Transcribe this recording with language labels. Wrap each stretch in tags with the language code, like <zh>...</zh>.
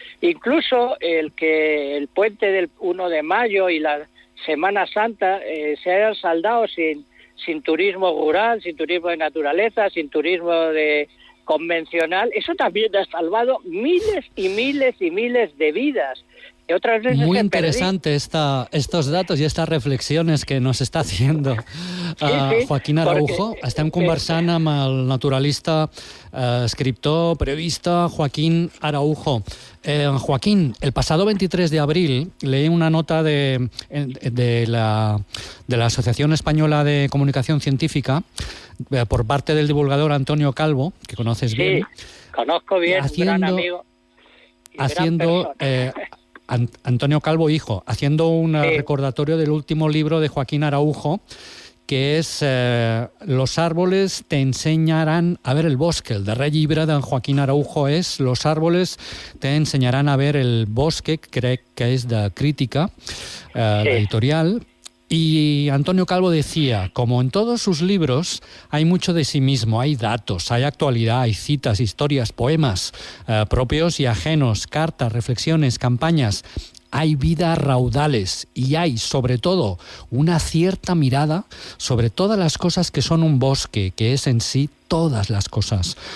<es>Incluso el que el puente del 1 de mayo y la Semana Santa se hayan saldado sin turismo rural, sin turismo de naturaleza, sin turismo de convencional, eso también ha salvado miles y miles y miles de vidas. Muy interesante estos datos y estas reflexiones que nos está haciendo Joaquín Araujo.</es> <ca>Estem conversant amb el naturalista, escriptor, periodista Joaquín Araujo.</ca> <es>Joaquín, el pasado 23 de abril leí una nota de la Asociación Española de Comunicación Científica por parte del divulgador Antonio Calvo, que conoces bien. Sí, conozco bien, haciendo, un gran amigo. Haciendo... Antonio Calvo, hijo, haciendo un recordatorio del último libro de Joaquín Araujo, que es Los árboles te enseñarán a ver el bosque.</es> <ca>El darrer llibre d'en Joaquín Araujo és Los árboles te enseñarán a ver el bosque, crec que és de Crítica, editorial.</ca> <es>Y Antonio Calvo decía, como en todos sus libros, hay mucho de sí mismo, hay datos, hay actualidad, hay citas, historias, poemas propios y ajenos, cartas, reflexiones, campañas. Hay vida raudales y hay, sobre todo, una cierta mirada sobre todas las cosas que son un bosque, que es en sí todas las cosas.</es>